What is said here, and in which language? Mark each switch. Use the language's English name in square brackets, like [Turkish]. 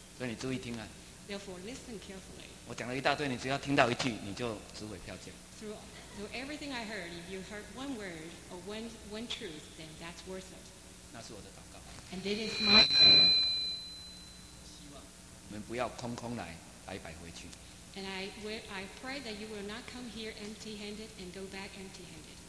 [Chinese] 所以你注意听啊。 [English] Therefore, listen carefully. [Chinese] 我讲了一大堆，你只要听到一句，你就值回票价。 [English] Through everything I heard, if you heard one word or one truth, then that's worth it. [Chinese] 那是我的祷告。 [English] And it is my prayer. [Chinese] 希望我们不要空空来，白白回去。 [English] And I pray that you will not come here empty-handed and go back empty-handed.